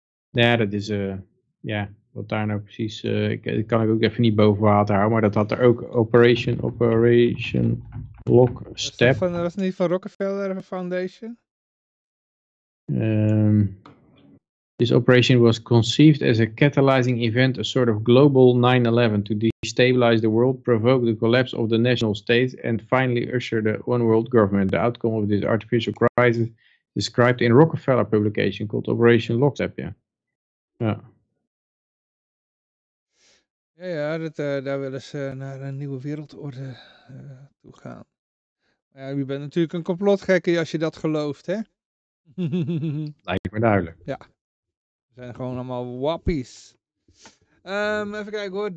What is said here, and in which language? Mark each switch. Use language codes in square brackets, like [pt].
[nl] Ja, dat is... wat daar nou precies... Dat kan ik ook even niet boven water houden, maar dat had er ook Operation... Lockstep. Was het niet van Rockefeller Foundation? [en] This operation was conceived as a catalyzing event, a sort of global 9/11, to destabilize the world, provoke the collapse of the national states, and finally usher the one world government. The outcome of this artificial crisis described in Rockefeller publication called Operation Lockstep. [nl] Ja, daar willen ze naar een nieuwe wereldorde toe gaan. Ja, je bent natuurlijk een complotgekke als je dat gelooft, hè? Lijkt me duidelijk. Ja. We zijn gewoon allemaal wappies. Even kijken hoor.